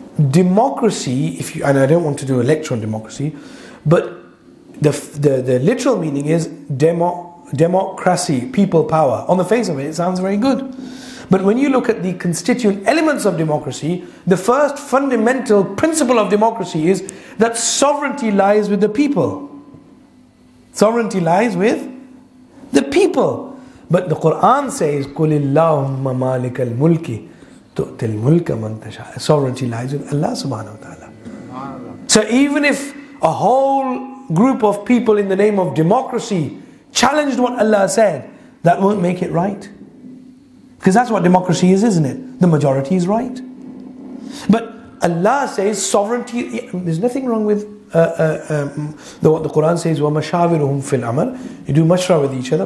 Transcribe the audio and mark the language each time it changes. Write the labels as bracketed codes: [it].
[en] Democracy, if you, and I don't want to do a lecture on democracy, but the literal meaning is democracy, people power. On the face of it, it sounds very good. But when you look at the constituent elements of democracy, the first fundamental principle of democracy is that sovereignty lies with the people. Sovereignty lies with the people. [ar] But the Quran says, قُلِ اللَّهُمَّ مَالِكَ الْمُلْكِ تُؤْتِ الْمُلْكَ مَنْ تَشَاءَ. [en] Sovereignty lies with Allah subhanahu wa ta'ala. So even if a whole group of people in the name of democracy challenged what Allah said, that won't make it right. Because that's what democracy is, isn't it? The majority is right. But Allah says sovereignty, there's nothing wrong with what the Quran says, [ar] وَمَشَاوِرُهُمْ فِي الْأَمَرِ. [en] You do mashra with each other.